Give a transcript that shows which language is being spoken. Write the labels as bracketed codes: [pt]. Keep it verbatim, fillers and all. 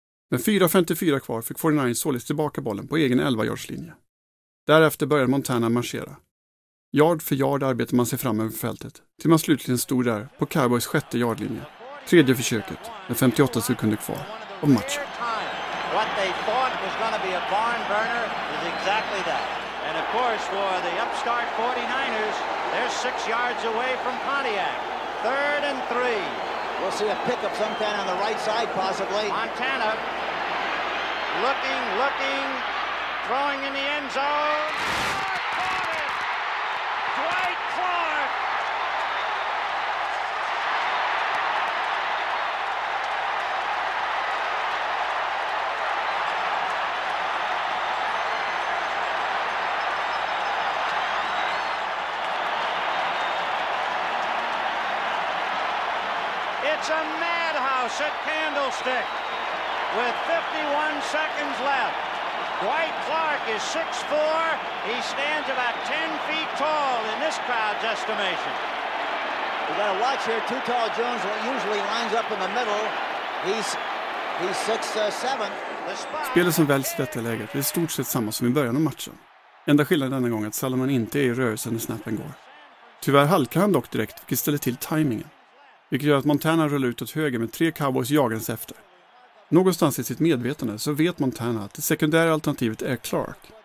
[sv] Med fyra femtiofyra kvar fick fyrtionio således tillbaka bollen på egen elva-yardslinje. Därefter började Montana marschera. Yard för yard arbetade man sig fram över fältet, till man slutligen stod där på Cowboys sjätte yardlinje, tredje försöket, med femtioåtta sekunder kvar av matchen. [en] What they thought was going to be a barn burner is exactly that. And of course for the upstart forty-niners, they're six yards away from Pontiac. Third and three. We'll see a pickup sometime on the right side possibly. Montana looking, looking, throwing in the end zone. Dwight Clark. It's a madhouse at Candlestick with fifty-one seconds left. Dwight Clark is six foot four. He stands about ten feet tall in this crowd's estimation. We got to watch here. Too Tall Jones usually lines up in the middle. He's he's six seven. [sv] Spelet som väljs i detta läget är i stort sett samma som i början av matchen. Enda skillnaden denna gång är att Salomon inte är i rörelsen när snappen går. Tyvärr halkar han dock direkt, vilket ställer till tajmingen, vilket gör att Montana rullar ut åt höger med tre Cowboys jagens efter. Någonstans i sitt medvetande så vet Montana att det sekundära alternativet är Clark.